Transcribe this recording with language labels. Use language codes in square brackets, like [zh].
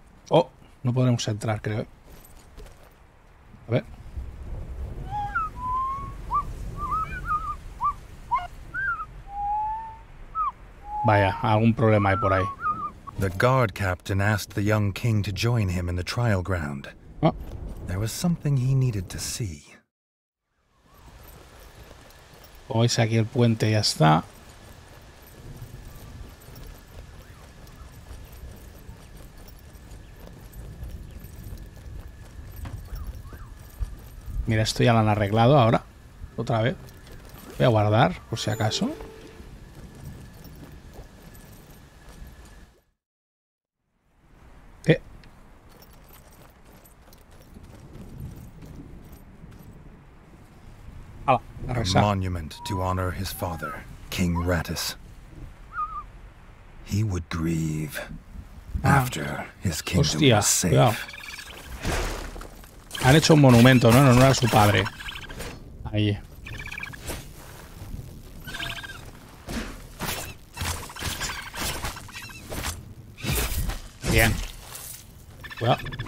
[es] Oh, no podremos entrar, creo. A ver. Vaya, algún problema hay por ahí. [en] The guard captain asked the young king to join him in the trial ground. Oh. There was something he needed to see. [es] Pues aquí el puente ya está. Mira, esto ya lo han arreglado ahora. Otra vez. Voy a guardar, por si acaso. [en] A monument to honor his father, King Ratus. He would grieve after his kingdom [es] Hostia, [en] was safe. [es] Cuidado. Han hecho un monumento, ¿no? En honor a su padre. Ahí. Bien. Cuidado.